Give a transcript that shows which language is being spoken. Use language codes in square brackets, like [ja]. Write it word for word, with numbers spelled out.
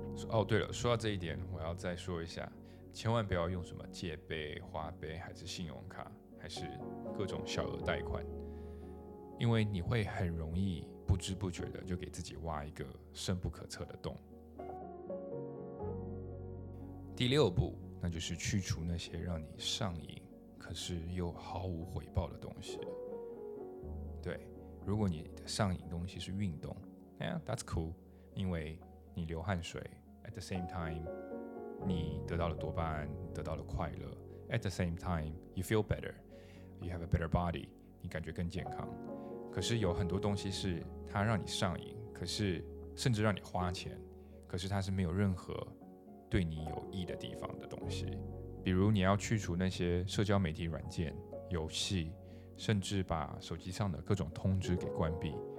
[zh] 哦，对了，说到这一点我要再说一下，千万不要用什么借呗、花呗，还是信用卡，还是各种小额贷款，因为你会很容易不知不觉的就给自己挖一个深不可测的洞。第六步，那就是去除那些让你上瘾可是又毫无回报的东西。对，如果你的上瘾东西是运动， [en] Yeah, that's cool， [zh] 因为你流汗水， [en] at the same time [zh] 你得到了多巴胺，得到了快乐， [en] at the same time you feel better, you have a better body， [zh] 你感觉更健康。可是有很多东西是它让你上瘾，可是甚至让你花钱，可是它是没有任何对你有益的地方的东西。比如你要去除那些社交媒体软件、游戏，甚至把手机上的各种通知给关闭。